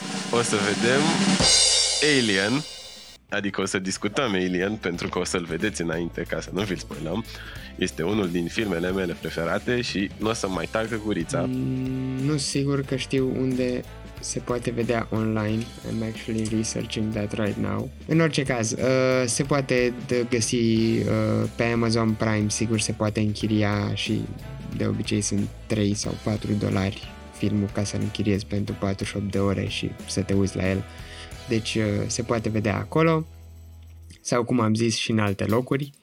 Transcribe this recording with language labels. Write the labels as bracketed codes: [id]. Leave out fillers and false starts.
[ro] O să vedem Alien, adică o să discutăm Alien, pentru că o să-l vedeți înainte, ca să nu vi-l spoilăm. Este unul din filmele mele preferate și nu o să mai tagă gurița. Nu sigur că știu unde se poate vedea online. [en] I'm actually researching that right now. [ro] În orice caz, se poate găsi pe Amazon Prime, sigur se poate închiria și de obicei sunt 3 sau 4 dolari filmul ca să-l închiriezi pentru 48 de ore și să te uiți la el. Deci se poate vedea acolo sau, cum am zis, și în alte locuri.